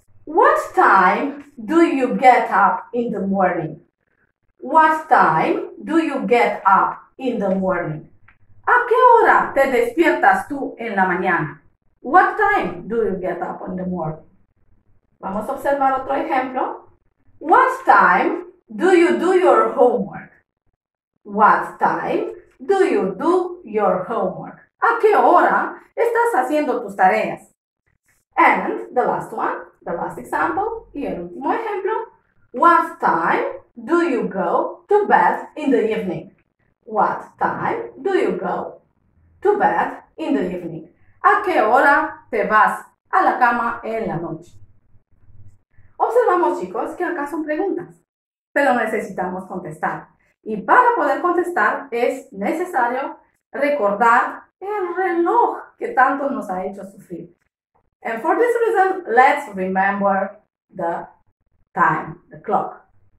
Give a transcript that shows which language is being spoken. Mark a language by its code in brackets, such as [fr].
[en] What time do you get up in the morning? What time do you get up in the morning? [es] ¿A qué hora te despiertas tú en la mañana? [en] What time do you get up in the morning? [es] Vamos a observar otro ejemplo. [en] What time do you do your homework? What time do you do your homework? [es] ¿A qué hora estás haciendo tus tareas? [en] And the last one, the last example, [es] y el último ejemplo. [en] What time do you go to bed in the evening? What time do you go to bed in the evening? [es] ¿A qué hora te vas a la cama en la noche? Observamos, chicos, que acá son preguntas, pero necesitamos contestar. Y para poder contestar es necesario recordar el reloj que tanto nos ha hecho sufrir. [en] And for this reason, let's remember the time, the clock.